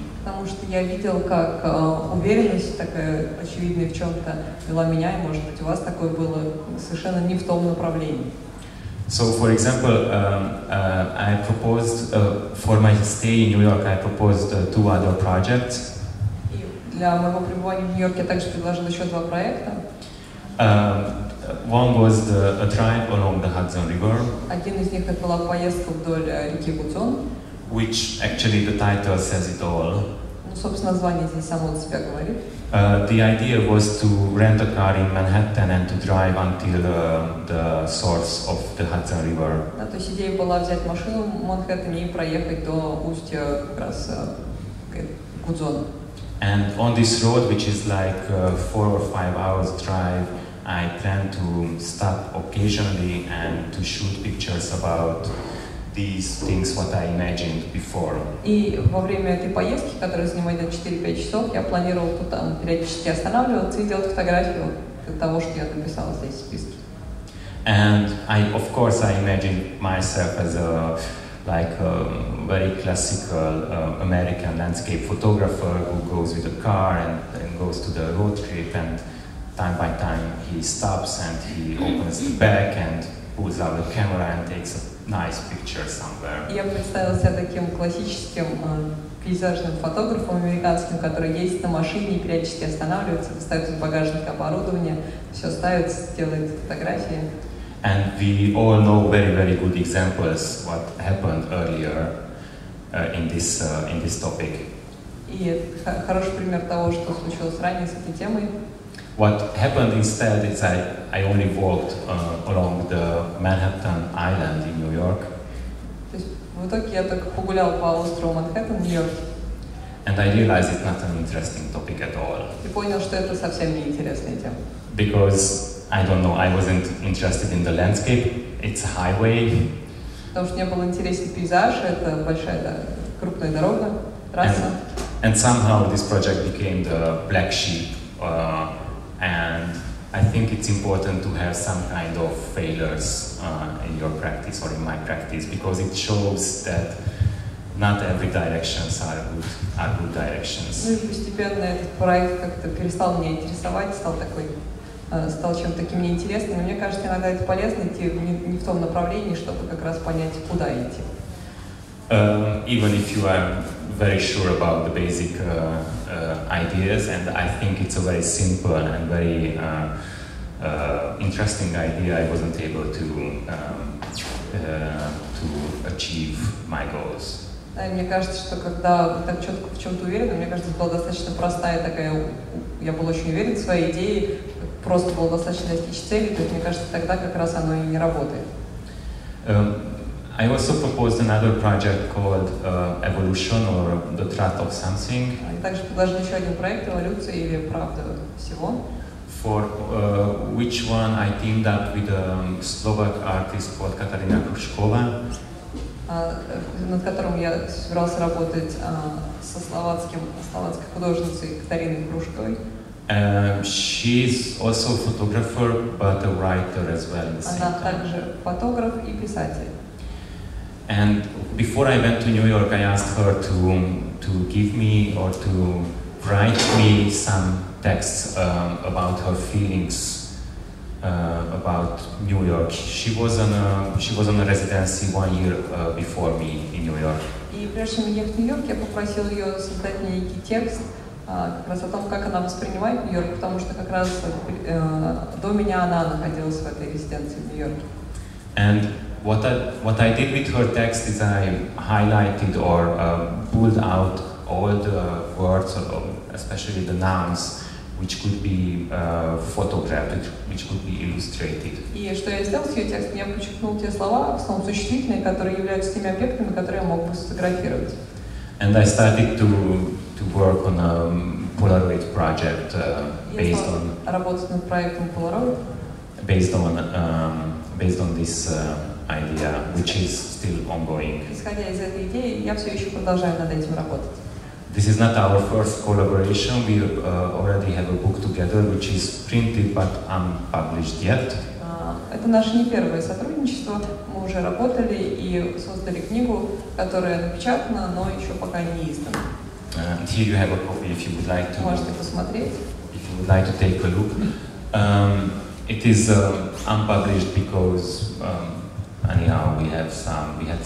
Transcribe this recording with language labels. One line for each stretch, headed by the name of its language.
Russian: Потому что я видел, как уверенность такая очевидная в чем-то вела меня, и, может быть, у вас такое было совершенно не в том направлении.
English: So, for example, I proposed for my stay in New York, I proposed two other projects.
Russian: И для моего пребывания в Нью-Йорке я также предложил еще два проекта.
English: One was a drive along the Hudson River.
Russian: Один из них — это была поездка вдоль реки Гудзон.
English: Which actually the title says it all.
Russian: Ну, собственно, название здесь само за себя говорит.
English: The idea was to rent a car in Manhattan and to drive until the source of the Hudson River.
Russian: Да, то есть идея была взять машину в Манхэттене и проехать до устья как раз Гудзона.
English: And on this road, which is like 4 or 5 hours drive, I plan to stop occasionally and to shoot pictures about these things what I imagined before.
Russian: И во время этой поездки, которая занимает 4-5 часов, я планировал тут там периодически останавливаться и делать фотографию того, что я написал здесь в списке.
English: And I, of course, I imagined myself as a like a very classical American landscape photographer who goes with a car and goes to the road trip, and time by time he stops and he opens the back and pulls out the camera and takes a nice picture somewhere.
Russian: Я представил себя таким классическим пейзажным фотографом американским, который ездит на машине и периодически останавливается, достает из багажника оборудование, все ставит, делает фотографии.
English: And we all know very, very good examples what happened earlier in this topic.
Russian: И хороший пример того, что случилось ранее с этой темой.
English: What happened instead is I only walked along the Manhattan Island in New York.
Russian: То есть в итоге я только погулял по острову Манхэттен в Нью-Йорке.
English: And I realized it's not an interesting topic at all.
Russian: И понял, что это совсем не интересная тема.
English: Because I don't know, I wasn't interested in the landscape. It's a highway.
Russian: Потому что мне был интересен пейзаж, это большая, да, крупная дорога, трасса.
English: And somehow this project became the black sheep. And I think it's important to have some kind of failures in your practice or in my practice, because it shows that not every directions are good directions.
Russian: Ну и постепенно этот проект как-то перестал меня интересовать, стал чем-то таким неинтересным. Мне кажется, иногда это полезно идти не в том направлении, чтобы как раз понять, куда идти.
English: Even if you are very sure about the basic ideas, and I think it's a very simple and very interesting idea, I wasn't able to achieve my goals.
Russian: Мне кажется, что когда вы так четко в чем-то уверены, мне кажется, это была достаточно простая такая, я был очень уверен в своей идее, просто было достаточно достичь цели, то есть мне кажется, тогда как раз оно и не работает.
English: I also proposed another project called Evolution or the Truth of Something.
Russian: И также предложил еще один проект «Эволюция» или «Правда всего».
English: For which one I teamed up with a Slovak artist called Katarina Kruškova.
Russian: Над которым я собирался работать со словацкой художницей Катариной Крушковой.
English: She is also a photographer, but a writer as well.
Russian: Она также фотограф и писатель.
English: And before I went to New York, I asked her to give me or to write me some texts about her feelings about New York. She was on a residency 1 year before me in New York.
Russian: И прежде чем я в Нью-Йорк, я попросил ее создать мне некий текст как раз о том, как она воспринимает Нью-Йорк, потому что как раз до меня она находилась в этой резиденции в Нью-Йорке.
English: And what I did with her text is I highlighted or pulled out all the words, especially the nouns, which could be photographed, which could be illustrated.
Russian: И что я сделал с ее текстом? Я подчеркнул те слова, в основном существительные, которые являются теми объектами, которые я мог бы сфотографировать.
English: And I started to work on a Polaroid project based on.
Russian: Я работал над проектом Polaroid.
English: Based on this idea, which is still ongoing.
Russian: Исходя из этой идеи, я все еще продолжаю над этим работать.
English: This is not our first collaboration. We already have a book together, which is printed but unpublished yet.
Russian: Это наше не первое сотрудничество. Мы уже работали и создали книгу, которая напечатана, но еще пока не издана.
English: Here you have a copy if you would like to.
Russian: Можете посмотреть.
English: If you would like to take a look, it is unpublished because anyhow we had some.